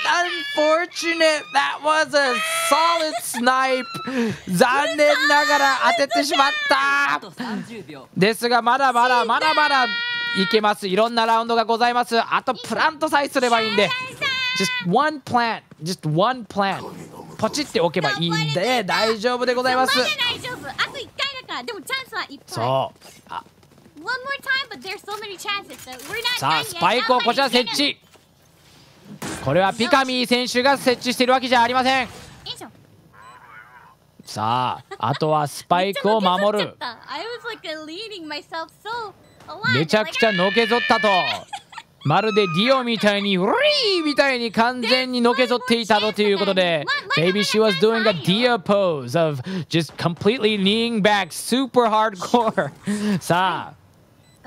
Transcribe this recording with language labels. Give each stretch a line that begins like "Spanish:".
English: Unfortunate that was a solid snipe
Japanese: 残念ながら当ててしまったですがまだまだまだまだいけます。いろんなラウンドがございます。あとプラントさえすればいいんで
English: Just one plant Just one plant
Japanese: ポチっておけばいいんで大丈夫でございます。まだ大丈夫、あと1回だから。でもチャンスはいっぱい。そう、あ、
English: One more time, but there's so many chances, so we're not done yet.
Japanese: さあスパイクをこちら設置。これはピカミー選手が設置しているわけじゃありません。いいじゃん。さああとはスパイクを守る。めちゃのけぞっちゃった。
English: I was like leading myself so alive.
Japanese: めちゃくちゃのけぞったとまるでディオみたいにウリーみたいに完全にのけぞっていたぞということで
English: Maybe she was doing a Dio pose of just completely kneeing back super hardcore
Japanese: さあ